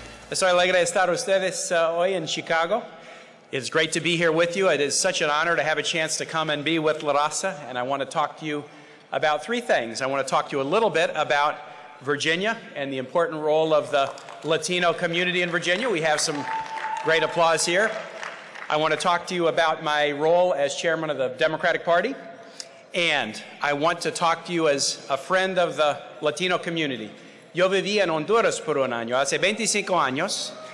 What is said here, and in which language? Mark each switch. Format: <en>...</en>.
<es>Estoy alegre de estar ustedes hoy en Chicago.</es> <en>It's great to be here with you. It is such an honor to have a chance to come and be with La Raza, and I want to talk to you about three things. I want to talk to you a little bit about Virginia and the important role of the Latino community in Virginia. We have some great applause here. I want to talk to you about my role as chairman of the Democratic Party, and I want to talk to you as a friend of the Latino community.</en> <es>Yo viví en Honduras por un año, hace 25 años.</es>